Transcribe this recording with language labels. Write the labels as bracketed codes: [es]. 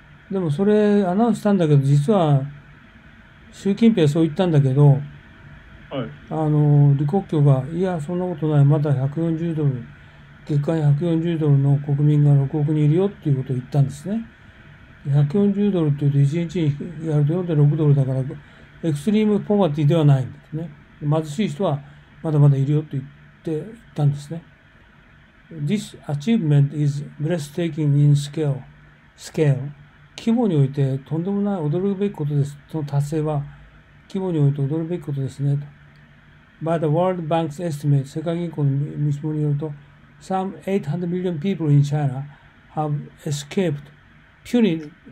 [ja] でもそれアナウンスしたんだけど、実は習近平はそう言ったんだけど、李克強が、いや、そんなことない。まだ140ドル、月間140ドルの国民が6億人いるよっていうことを言ったんですね。 140ドルっていうと、1日にやると4.6ドルだから、エクストリームポバティではないんですね。貧しい人はまだまだいるよと言ったんですね。 [en] This achievement is breathtaking in scale. [ja] 規模において、とんでもない、驚くべきことです。その達成は、規模において驚くべきことですね。 [en] By the World Bank's estimate、 [ja] 世界銀行の見積もりによると、 [en] Some 800 million people in China have escaped penury.